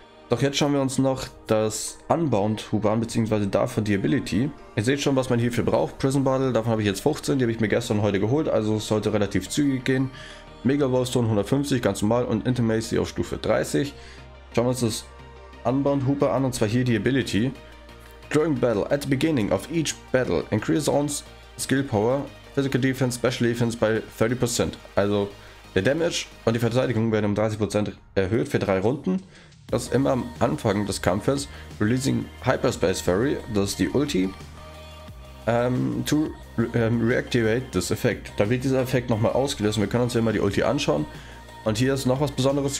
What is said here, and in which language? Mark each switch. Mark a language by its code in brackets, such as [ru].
[de] Doch jetzt schauen wir uns noch das Unbound-Huber an, beziehungsweise davon die Ability. Ihr seht schon, was man hierfür braucht. Prison Battle, davon habe ich jetzt 15, die habe ich mir gestern und heute geholt, also es sollte relativ zügig gehen. Mega Wallstone 150, ganz normal, und Intimacy auf Stufe 30. Schauen wir uns das Unbound-Huber an, und zwar hier die Ability. [en] During Battle, at the beginning of each battle, increase Zone's Skill Power, Physical Defense, Special Defense by 30%. [de] Also der Damage und die Verteidigung werden um 30% erhöht für 3 Runden. Das ist immer am Anfang des Kampfes. [en] Releasing Hyperspace Fairy, [de] das ist die Ulti. [en] Reactivate this Effect. [de] Da wird dieser Effekt nochmal ausgelöst. Wir können uns hier mal die Ulti anschauen. Und hier ist noch was Besonderes.